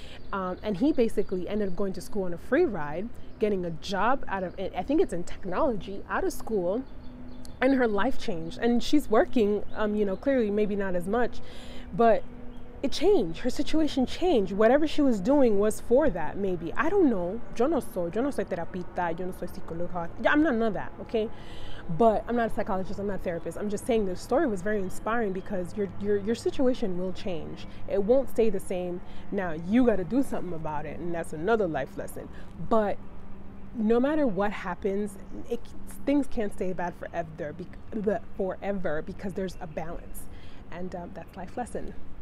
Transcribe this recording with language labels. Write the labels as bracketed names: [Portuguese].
[English] And he basically ended up going to school on a free ride, getting a job out of, I think it's in technology, out of school. And her life changed, and she's working, you know, clearly maybe not as much, but it changed. Her situation changed. Whatever she was doing was for that, maybe. I don't know. [Spanish] Yo no soy terapista, yo no soy psicóloga. [English] Yeah, I'm not none of that, okay? But I'm not a psychologist, I'm not a therapist. I'm just saying this story was very inspiring, because your situation will change. It won't stay the same. Now, you got to do something about it, and that's another life lesson. But no matter what happens, things can't stay bad forever, because there's a balance. And that's life lesson.